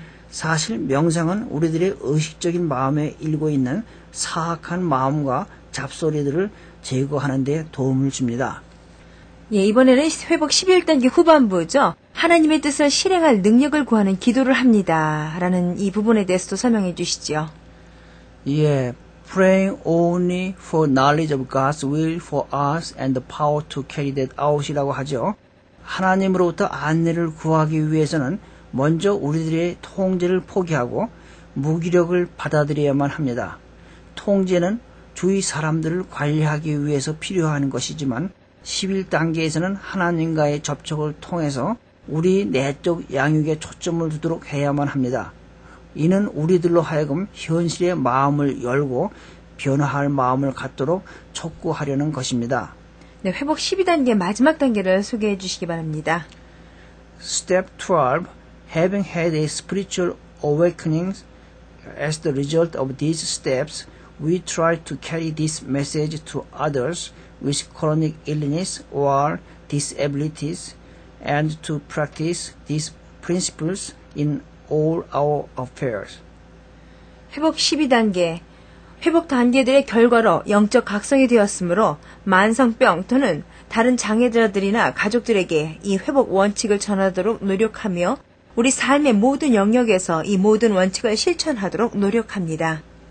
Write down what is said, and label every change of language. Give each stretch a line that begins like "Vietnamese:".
Korean: 사실 명상은 우리들의 의식적인 마음에 일고 있는 사악한 마음과 잡소리들을 제거하는 데 도움을 줍니다. 예, 이번에는 회복 11단계 후반부죠. 하나님의 뜻을 실행할 능력을 구하는 기도를 합니다. 라는 이 부분에 대해서도 설명해 주시죠. 예,
English: praying only for knowledge of God's will for us and the power to carry that out
Korean: 이라고 하죠. 하나님으로부터 안내를 구하기 위해서는 먼저 우리들의 통제를 포기하고 무기력을 받아들여야만 합니다. 통제는 주위 사람들을 관리하기 위해서 필요한 것이지만 11단계에서는 하나님과의 접촉을 통해서 우리 내적 양육에 초점을 두도록 해야만 합니다. 이는 우리들로 하여금 현실의 마음을 열고 변화할 마음을 갖도록 촉구하려는 것입니다. 네, 회복 12단계 마지막 단계를 소개해 주시기 바랍니다.
English: Step 12. Having had a spiritual awakening as the result of these steps, we try to carry this message to others with chronic illness or disabilities and to practice these principles in all our affairs.
Korean: 회복 12단계, 회복 단계들의 결과로 영적 각성이 되었으므로 만성병 또는 다른 장애자들이나 가족들에게 이 회복 원칙을 전하도록 노력하며 우리 삶의 모든 영역에서 이 모든 원칙을 실천하도록 노력합니다.